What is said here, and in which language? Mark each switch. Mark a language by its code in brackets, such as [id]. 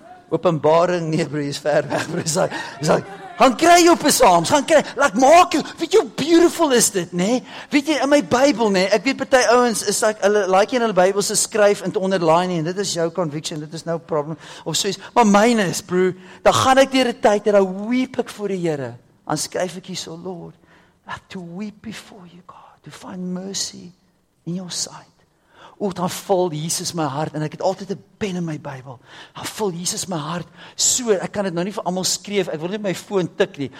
[af] Openbaring, nee bro, is ver weg, bro. Is hy, gaan kry jou psalms, gaan kry. Laat maak jou, weet jy hoe beautiful is dit, nê? Nee? Weet jy in my Bybel, nê? Nee, ek weet party ouens is like hulle like jy in hulle Bybel se skryf en te onderline en dit is jou conviction, dit is nou problem of soos. Maar myne is, bro, dan gaan ek deur 'n tyd en dan weep ek voor die Here. Dan skryf ek hier so, [en] Lord, I have to weep before you, God, to find mercy in your sight. [af] O, dan vul Jesus my hart en ek het altyd 'n pen in my Bybel. Dan vul Jesus my hart so, ek kan dit nou nie vir almal skryf, ek wil nie my foon tik nie.